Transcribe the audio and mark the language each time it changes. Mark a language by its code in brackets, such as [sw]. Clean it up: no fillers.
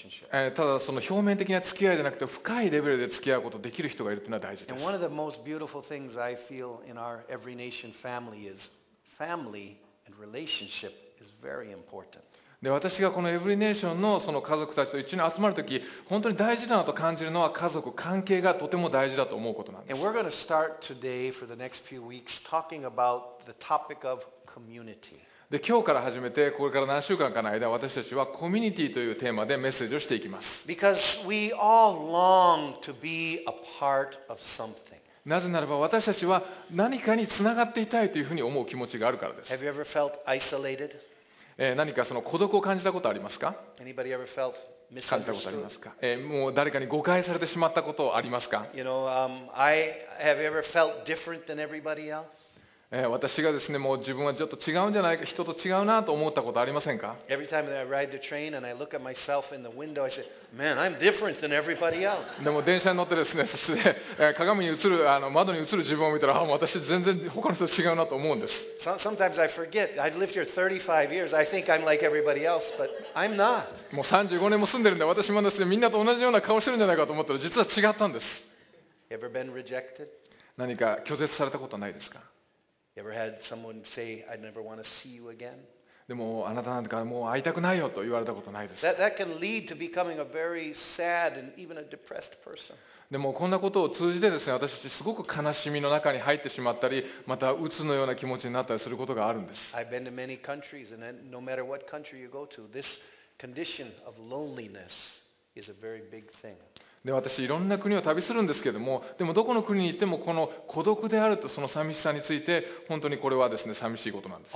[ja] ただその表面的な付き合いじゃなくて、深いレベルで付き合うことができる人がいるというのは大事です。 [en] And one of the most beautiful things I feel in our Every Nation family is family and relationship is very important. [ja] で私がこの Every Nation のその家族たちと一緒に集まるとき、本当に大事だなと感じるのは家族関係がとても大事だと思うことなんです。 [en] And we're going to start today for the next few weeks talking about the topic of community. [ja] で今日から始めて、これから何週間かの間、私たちはコミュニティというテーマでメッセージをしていきます。 [en] Because we all long to be a part of something. [ja] なぜならば私たちは何かにつながっていたいというふうに思う気持ちがあるからです。 [en] Have you ever felt isolated? [ja] 何かその孤独を感じたことありますか？ [en] Anybody ever felt misunderstood? [ja] 感じたことありますか？もう誰かに誤解されてしまったことありますか？ [en] You know, I have ever felt different than everybody else? [ja] 私がですね、もう自分はちょっと違うんじゃないか、人と違うなと思ったことありませんか？ [en] Every time that I ride the train and I look at myself in the window, I say, "Man, I'm different than everybody else." [ja] でも電車に乗ってですね、そして鏡に映る窓に映る自分を見たら、私全然他の人と違うなと思うんです。 [en] Sometimes I forget. I've lived here 35 years. I think I'm like everybody else, but I'm not. [ja] もう35年も住んでるんで、私もですね、みんなと同じような顔してるんじゃないかと思ったら、実は違ったんです。 [en] Ever been rejected? [ja] 何か拒絶されたことはないですか？ [en] Ever had someone say, "I never want to see you again"? [ja] でもあなたなんかもう会いたくないよと言われたことないです。 [en] That can lead to becoming a very sad and even a depressed person. [ja] でもこんなことを通じてですね、私たちすごく悲しみの中に入ってしまったり、また鬱のような気持ちになったりすることがあるんです。 [en] I've been to many countries, and no matter what country you go to, this condition of loneliness is a very big thing. [ja] で私いろんな国を旅するんですけども、でもどこの国に行ってもこの孤独であるとその寂しさについて、本当にこれはですね、寂しいことなんです。